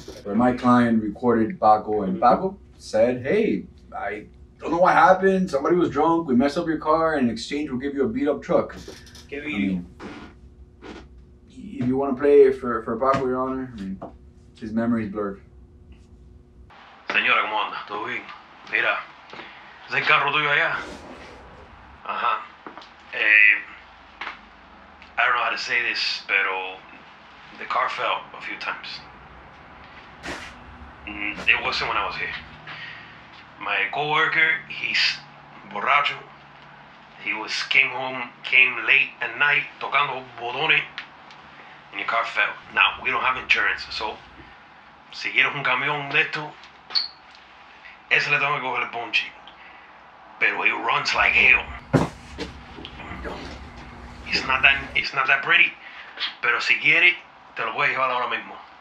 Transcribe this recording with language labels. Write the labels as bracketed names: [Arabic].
[English] Where my client recorded Paco, and Paco said, hey, I don't know what happened. Somebody was drunk. We messed up your car, and in exchange, we'll give you a beat-up truck. If you want to play for Paco, Your Honor, his memory is blurred. [Spanish] Señora, ¿cómo anda? ¿Todo bien? Mira, ¿es el carro tuyo allá? Ajá. [English] I don't know how to say this, [Spanish] pero [English] the car fell a few times. It wasn't when I was here. My coworker, he's [Spanish] borracho. [English] He was came late at night, [Spanish] tocando botones, [English] and your car fell. Now, we don't have insurance, so [Spanish] si quieres un camión de esto, ese le tengo que coger el ponche. Pero [English] it runs like hell. It's not that pretty. [Spanish] Pero si quieres, te lo puedes llevar ahora mismo.